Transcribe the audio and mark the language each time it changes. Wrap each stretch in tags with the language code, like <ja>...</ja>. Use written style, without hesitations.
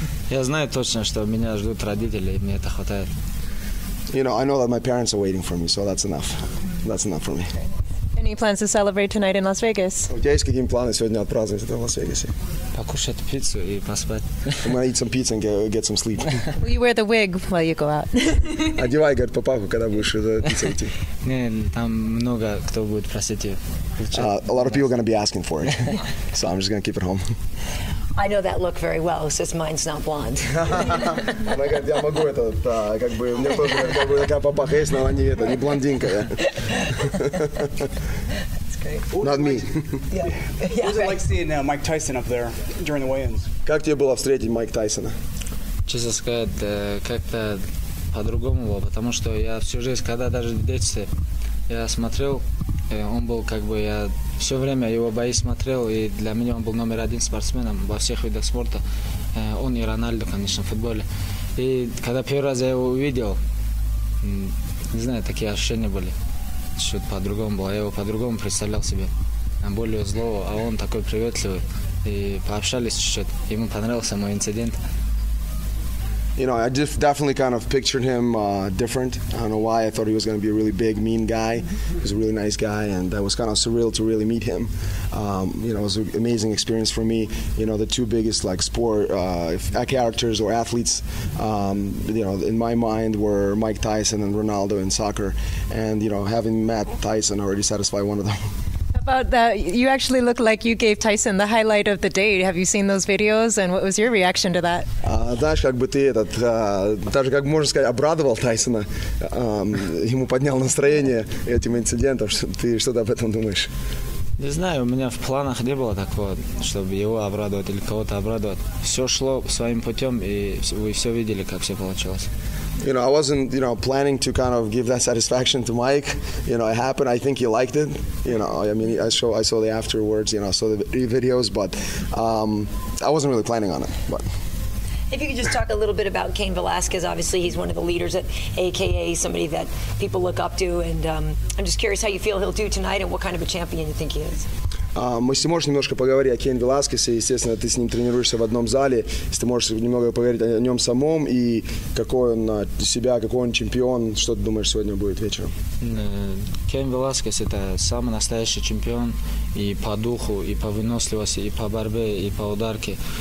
<ru>Я знаю точно, что меня ждут родители, и мне это хватает.</ru> <en>You know, I know that my parents are waiting for me, so that's enough. That's enough for me. Any plans to celebrate tonight in Las Vegas?</en> <ru>У тебя есть какие планы сегодня отпраздновать в Лас-Вегасе? Покушать пиццу и поспать.</ru> <en>I'm gonna eat some pizza and get some sleep. Will you wear the wig while you go out?</en> <ru>Одевай, говорит, папаху, когда будешь за пиццу идти. Не, там много кто будет просить ее.</ru> <en>A lot of people are gonna be asking for it, so I'm just gonna keep it home. I know that look very well, since mine's not blonde.</en> <ru>Я могу это, как бы, у меня тоже такая папаха есть, но она не это, не блондинка.</ru> <en>That's great. Not me. Yeah. What was it like seeing Mike Tyson up there during the weigh-ins?</en> <ru>Как тебе было встретить Майк Тайсона? Честно сказать, как-то по-другому было, потому что я всю жизнь, когда даже в детстве, я смотрел, он был как бы, я все время его бои смотрел, и для меня он был номер один спортсменом во всех видах спорта. Он и Роналду, конечно, в футболе. И когда первый раз я его увидел, не знаю, такие ощущения были. Что-то по-другому было. Я его по-другому представлял себе. Более злого, а он такой приветливый. И пообщались чуть-чуть. Ему понравился мой инцидент.</ru> <en>You know, I just definitely kind of pictured him different. I don't know why. I thought he was going to be a really big, mean guy. He was a really nice guy, and that was kind of surreal to really meet him. You know, it was an amazing experience for me. You know, the two biggest, like, sport characters or athletes, you know, in my mind were Mike Tyson and Ronaldo in soccer. And, you know, having met Tyson already satisfied one of them. About that, you actually look like you gave Tyson the highlight of the day. Have you seen those videos, and what was your reaction to that?</en> <ru>Знаешь, как бы ты этот, даже как можно сказать, обрадовал Тайсона, ему поднял настроение этим инцидентом. Ты что-то об этом думаешь? Не знаю, у меня в планах не было такого, чтобы его обрадовать или кого-то обрадовать. Все шло своим путем, и вы все видели, как все получилось.</ru> <en>You know, I wasn't, you know, planning to kind of give that satisfaction to Mike. You know, it happened. I think he liked it. You know, I mean, I saw the afterwards, you know, saw the videos, but I wasn't really planning on it. But if you could just talk a little bit about Cain Velasquez, obviously he's one of the leaders at AKA, somebody that people look up to, and I'm just curious how you feel he'll do tonight and what kind of a champion you think he is.</en> <ru>Если можешь немножко поговорить о Кейн Веласкесе, естественно, ты с ним тренируешься в одном зале, если ты можешь немного поговорить о нем самом и какой он для себя, какой он чемпион, что ты думаешь сегодня будет вечером? Кейн Веласкес – это самый настоящий чемпион и по духу, и по выносливости, и по борьбе, и по ударке.</ru>